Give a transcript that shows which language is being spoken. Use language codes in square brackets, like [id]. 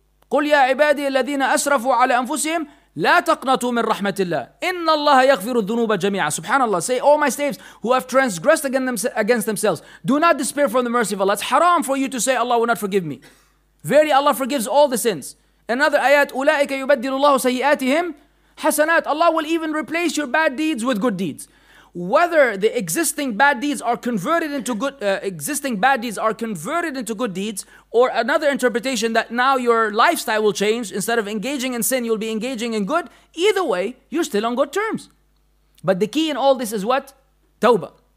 [ar] قُلْ يَا عِبَادِيَ الَّذِينَ أَسْرَفُوا عَلَى أَنفُسِهِمْ لَا تَقْنَطُوا مِنْ رَحْمَةِ اللَّهِ إِنَّ اللَّهَ يَغْفِرُ الذُّنُوبَ جَمِيعًا. Subhanallah. [en] Say, all my slaves who have transgressed against themselves, do not despair from the mercy of Allah. It's haram for you to say Allah will not forgive me. Verily Allah forgives all the sins. [ar] Another ayat, أُولَٰئِكَ يُبَدِّلُ اللَّهُ سَيِّئَاتِهِمْ حَسَنَاتِ. [en] Allah will even replace your bad deeds with good deeds. Whether the existing bad deeds are converted into good, or another interpretation that now your lifestyle will change, instead of engaging in sin, you'll be engaging in good. Either way, you're still on good terms. But the key in all this is what? Tawbah.